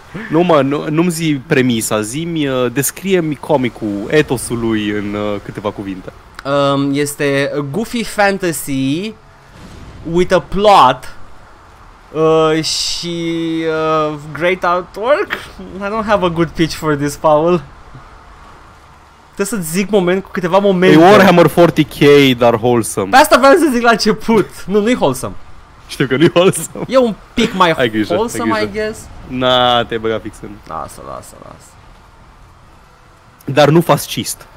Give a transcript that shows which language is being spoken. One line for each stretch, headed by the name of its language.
Romanian: Nu-mi zi premisa, zi-mi, descrie-mi comicul, etosul lui în câteva cuvinte. Este
English: a goofy fantasy with a plot
Romanian: și
English: great artwork. I don't have a good pitch for this, Paul.
Romanian: Trebuie să-ți zic câteva momente. E Warhammer 40k, dar
English: wholesome.
Romanian: Pe asta vreau să zic la început. Nu-i wholesome. Știu că nu-i wholesome. E un pic mai grijă, wholesome,
English: I guess.
Romanian: Na, te-ai băgat fix în... Lasă. Dar nu fascist.